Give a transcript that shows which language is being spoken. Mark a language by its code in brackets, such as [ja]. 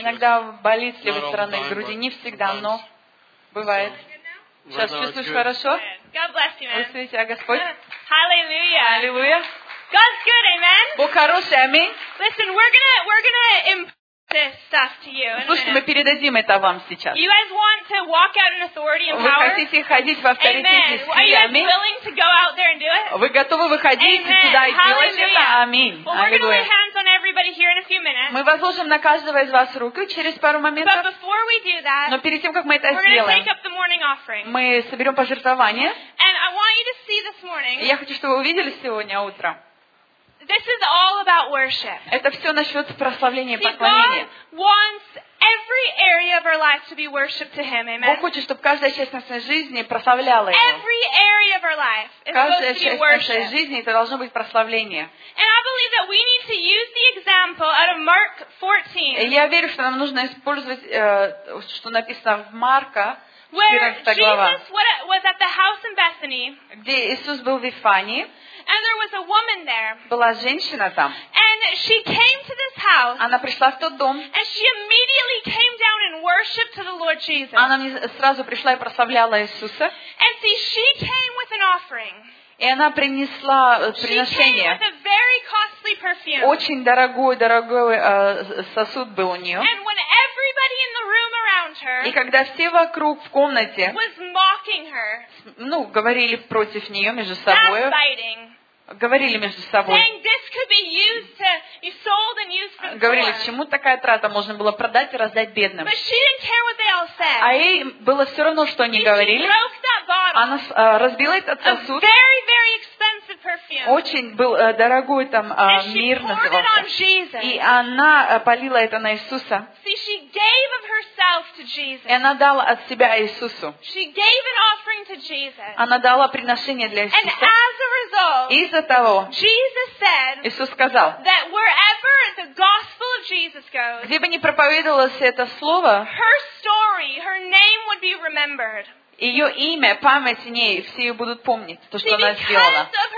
[ru] Иногда болит с левой стороны груди. Не всегда, но... Бывает. Сейчас чувствуешь хорошо? [en] God bless you, man. [ru] Благослови тебя, Господь. [en] Hallelujah. Hallelujah. God's good, amen. [ru] Бог хороший, аминь. [en] Listen, we're gonna impart this stuff to you. [ru] Слушайте, мы передадим это вам сейчас. [en] You guys want to walk out in authority and power? [ru] Вы хотите ходить в авторитете и силе? [en] Are you guys willing to go out there and do it? [ru] Вы готовы выходить туда и делать это? Аминь. [en] Well, we're gonna lay hands on everybody here in a few minutes. [ru] Мы возложим на каждого из вас руки через пару моментов. [en] But before we do that, [ru] но перед тем, как мы это сделаем, мы соберем пожертвование. [en] And I want you to see this morning. [ru] Я хочу, чтобы вы увидели сегодня утром. [en] This is all about worship. [ru] Это все насчет прославления и поклонения. [en] God wants every area of our life to be worshiped to Him. Amen. [ru] Бог хочет, чтобы каждая часть нашей жизни прославляла Его. [en] Every area of our life is supposed to be worshiped. [ru] Каждая часть нашей жизни это должно быть прославление. [en] And I believe that we need to use the example out of Mark 14. [ru] Я верю, что нам нужно использовать, что написано в Марка. [en] Where Jesus was at the house in Bethany. [ru] Где Иисус был в Вифании. [en] And there was a woman there. [ru] Была женщина там. [en] And she came to this house. [ru] Она пришла в тот дом. [en] And she immediately came down and worshiped to the Lord Jesus. [ru] Она сразу пришла и прославляла Иисуса. [en] And see, she came with an offering. [ru] И она принесла приношение. [en] She came with a very costly perfume. [ru] Очень дорогой сосуд был у нее. [en] And when everybody in the room around her. [ru] И когда все вокруг в комнате. [en] Was mocking her. [ru] Ну, говорили против нее между собой. [en] Backbiting. [ru] Говорили между собой. [en] Saying this could be used to be sold and used for. [ru] Говорили, к чему такая трата можно было продать и раздать бедным. [en] But she didn't care what they all said. [ru] А ей было все равно, что они говорили. Она разбила этот сосуд. [en] Very, very expensive perfume. [ru] Очень был дорогой там мир назывался. И она полила это на Иисуса. [en] See, she gave of herself to Jesus. [ru] И она дала от себя Иисусу. [en] She gave an offering to Jesus. [ru] Она дала приношение для Иисуса. [en] And as a result, [ru] из-за того, [en] Jesus said, [ru] Иисус сказал, [en] that wherever the gospel of Jesus goes, [ru] где бы ни проповедовалось это слово, [en] her story, her name would be remembered. [ru] Ее имя, память о ней, все ее будут помнить, то, что она сделала.